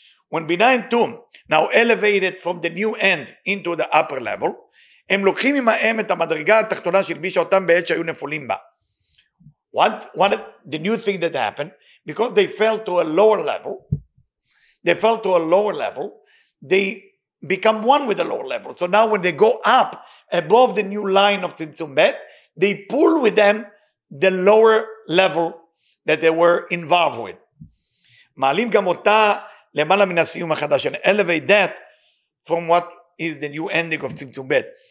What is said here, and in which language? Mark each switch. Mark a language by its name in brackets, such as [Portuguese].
[English] When Bina and Tum now elevated from the new end into the upper level, [Hebrew] הם לוקחים עם האם את המדרגה התחתונה שלבישה אותם בעת שהיו נפולים בה. [English] What the new thing that happened? Because they fell to a lower level, they fell to a lower level, they become one with the lower level. So now when they go up above the new line of Tzimtzum Bet, they pull with them the lower level that they were involved with. [Hebrew] מעלים גם אותה למעלה מן הסיום החדש, [English] and elevate that from what is the new ending of Tzimtzum Bet.